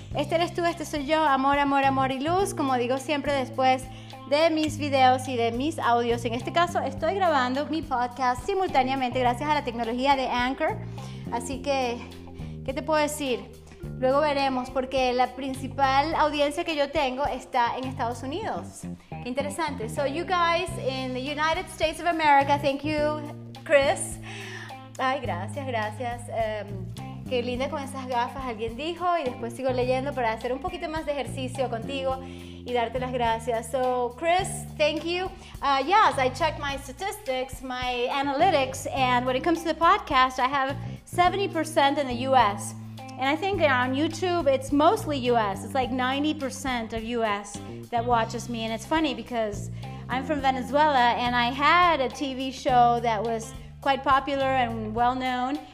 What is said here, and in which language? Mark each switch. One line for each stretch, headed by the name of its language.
Spanish: Eres tú, soy yo, amor, amor, amor y luz, como digo siempre después de mis videos y de mis audios. En este caso estoy grabando mi podcast simultáneamente gracias a la tecnología de Anchor. Así que, ¿qué te puedo decir? Luego veremos, porque la principal audiencia que yo tengo está en Estados Unidos. Qué interesante.
English: So you guys in the United States of America, thank you, Chris.
Spanish: Ay, gracias, gracias. Qué linda con esas gafas, alguien dijo, y después sigo leyendo para hacer un poquito más de ejercicio contigo y darte las gracias.
English: So, Chris, thank you. Yes, I checked my statistics, my analytics, and when it comes to the podcast, I have 70% in the U.S. And I think on YouTube, it's mostly U.S. It's like 90% of U.S. that watches me, and it's funny because I'm from Venezuela, and I had a TV show that was quite popular and well-known.